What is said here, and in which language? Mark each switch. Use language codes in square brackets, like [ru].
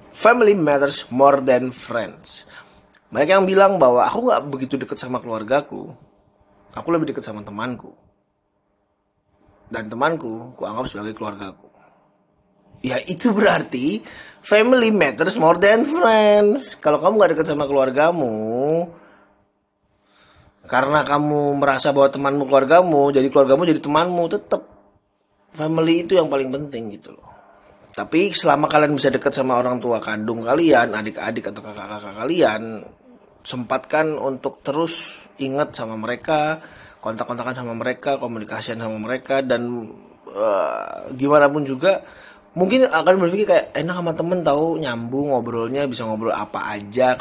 [en] Family matters more than friends. [id] Banyak yang bilang bahwa aku nggak begitu dekat sama keluargaku. Aku lebih dekat sama temanku. Dan temanku ku anggap sebagai keluargaku. Ya itu berarti [en] family matters more than friends. [id] Kalau kamu gak dekat sama keluargamu karena kamu merasa bahwa temanmu keluargamu, jadi keluargamu jadi temanmu, tetap family itu yang paling penting gitu loh. Tapi selama kalian bisa dekat sama orang tua kandung kalian, adik-adik atau kakak-kakak kalian, sempatkan untuk terus ingat sama mereka, kontak-kontakan sama mereka, komunikasian sama mereka, dan gimana pun juga mungkin akan berpikir kayak enak sama temen, tahu nyambung ngobrolnya, bisa ngobrol apa aja.